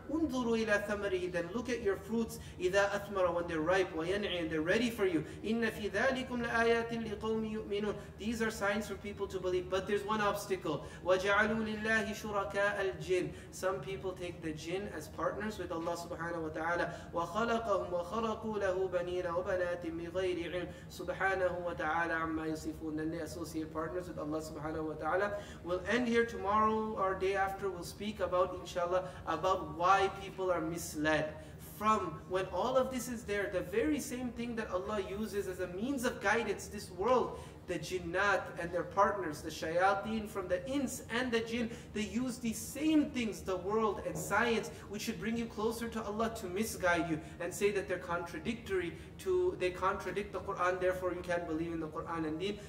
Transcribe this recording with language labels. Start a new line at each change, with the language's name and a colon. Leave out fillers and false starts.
Arabic: انظروا إلى
English: Then look at your fruits,
Arabic: إِذَا أَثْمَرَ
English: When they're ripe,
Arabic: وَيَنْعِي
English: And they're ready for you.
Arabic: إِنَّ فِي ذَلِكُمْ لَآيَاتٍ لِقَوْمِ يُؤْمِنُونَ
English: These are signs for people to believe. But there's one obstacle.
Arabic: وَجَعَلُوا لِلَّهِ شُرَكَاءَ الْجِنِ
English: Some people take the jinn as partners with Allah subhanahu wa ta'ala.
Arabic: وَخَلَقَهُمْ وَخَرَقُوا لَهُ بَنِينَ وَبَنَاتٍ بِغَيْرِ عِلْمٍ سُبْحَانَهُ وَتَعَالَى عَمَّا يَصِفُونَ
English: Then they associate partners with Allah subhanahu wa ta'ala. We'll end here tomorrow or day after. We'll speak about, inshallah, about why people are misled. From when all of this is there, the very same thing that Allah uses as a means of guidance, this world, the jinnat and their partners, the shayateen from the ins and the jinn, they use these same things, the world and science, which should bring you closer to Allah, to misguide you and say that they're contradictory to, they contradict the Quran, therefore you can't believe in the Quran and deen.